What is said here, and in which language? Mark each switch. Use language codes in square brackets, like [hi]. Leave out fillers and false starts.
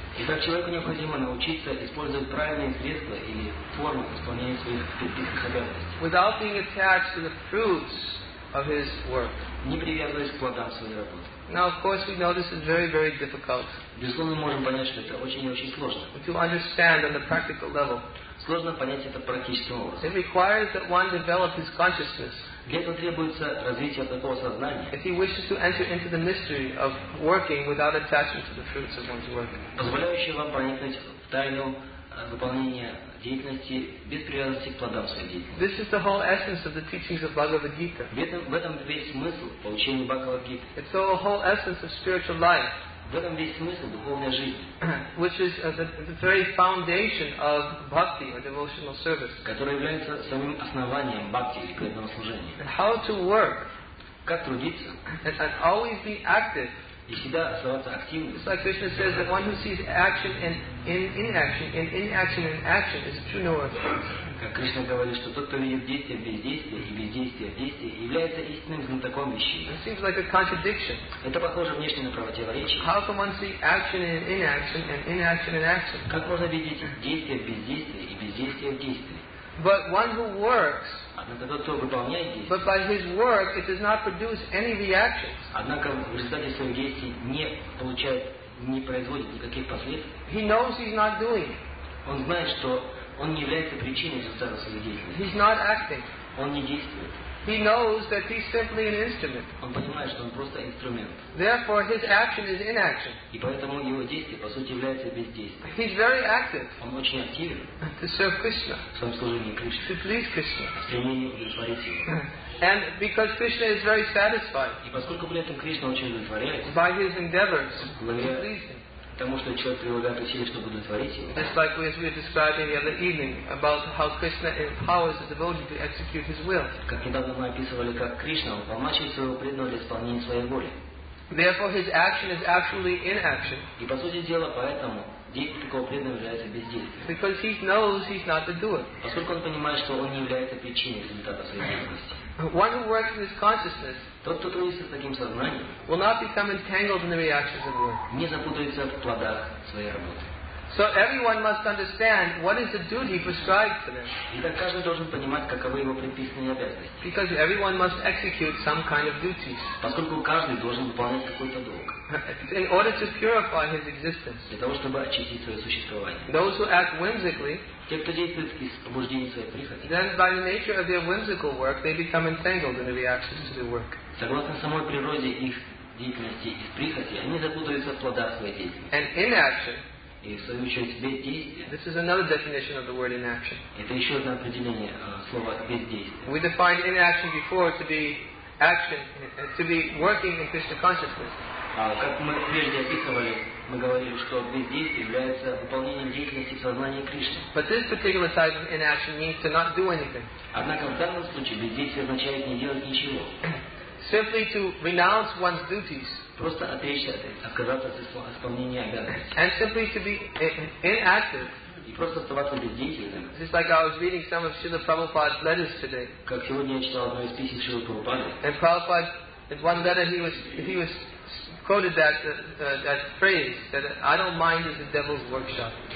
[ru] Итак, человеку необходимо научиться использовать правильные средства или формы исполнения своих предписанных обязанностей. [en] Without being attached to the fruits of his work. [ru] Не привязываясь к плодам своей работы. [en] Now, of course, we know this is very, very difficult. [ru] Безусловно, мы можем понять, что это очень и очень сложно. [en] But to understand on the practical level. [ru] Сложно понять это практическим образом. [en] It requires that one develop his consciousness. [ru] Для этого требуется развитие такого сознания. [en] If he wishes to enter into the mystery of working without attachment to the fruits of one's work. [ru] Позволяющий вам проникнуть в тайну выполнения деятельности без привязанности к плодам своей деятельности. [en] This is the whole essence of the teachings of Bhagavad Gita. [ru] В этом весь смысл получения Бхагавад Гиты. [en] It's the whole essence of spiritual life. [ru] В этом весь смысл духовной жизни. [en] Which is the very foundation of bhakti or devotional service. [ru] Которая является самим основанием бхакти или преданного служения. [en] And how to work. [ru] Как трудиться. [en] And always be active. [ru] И всегда оставаться активным. [en] It's like Krishna says that one who sees action and inaction and action is a true knower. [ru] Как Кришна говорит, что тот, кто видит действие в бездействии и бездействие в действии, является истинным знатоком вещей. [en] It seems like a contradiction. [ru] Это похоже внешне на противоречие. [en] How can one see action and inaction and inaction and action? [ru] Как можно видеть действие в бездействии и бездействие в действии? [en] But one who works. [ru] Однако тот, кто выполняет действие. [en] But by his work, it does not produce any reactions. [ru] Однако в результате своих действий не получает, не производит никаких последствий. [en] He knows he's not doing. [ru] Он знает, что он не является причиной результата своих действий. [en] He's not acting. [ru] Он не действует. [en] He knows that he's simply an instrument. [ru] Он понимает, что он просто инструмент. [en] Therefore, his action is inaction. [ru] И поэтому его действие, по сути, является бездействием. [en] He's very active. [ru] Он очень активен. [en] To serve Krishna. [ru] В своем служении Кришне. [en] To please Krishna. [ru] В стремлении удовлетворить его. [en] And because Krishna is very satisfied. [ru] И поскольку при этом Кришна очень удовлетворяется. [en] By his endeavors. [ru] Потому что человек прилагает усилия, чтобы удовлетворить его. [en] Just like as we were describing the other evening about how Krishna empowers the devotee to execute his will. [ru] Как недавно мы описывали, как Кришна уполномочивает своего преданного для исполнения своей воли. [en] Therefore, his action is actually inaction. [ru] И по сути дела, поэтому действие такого преданного является бездействием. [en] Because he knows he's not the doer. [ru] Поскольку он понимает, что он не является причиной результата своей деятельности. [en] One who works in his consciousness will not become entangled in the reactions of work. [ru] Не запутается в плодах своей работы. [en] So everyone must understand what is the duty prescribed for them. [ru] Итак, каждый должен понимать, каковы его предписанные обязанности. [en] Because everyone must execute some kind of duties. [ru] Поскольку каждый должен выполнять какой-то долг. [en] In order to purify his existence. [ru] Для того, чтобы очистить свое существование. [en] Those who act whimsically. [ru] Те, кто действует из побуждения своей прихоти. [en] Then by the nature of their whimsical work, they become entangled in the reactions to their work. [ru] Согласно самой природе их деятельности и прихоти, они запутаются в плодах своей деятельности. [en] And inaction. [ru] И в свою очередь бездействие. [en] This is another definition of the word inaction. [ru] Это еще одно определение слова бездействие. [en] We defined inaction before to be action, to be working in Krishna consciousness. [ru] Как мы прежде описывали, мы говорили, что бездействие является выполнением деятельности в сознании Кришны. [en] But this particular type of inaction means to not do anything. [ru] Однако в данном случае бездействие означает не делать ничего. [en] simply to renounce one's duties and simply to be inactive. It's just like I was reading some of Srila Prabhupada's letters today. And Prabhupada, in one letter, he was quoted that phrase, that I don't mind is the devil's workshop.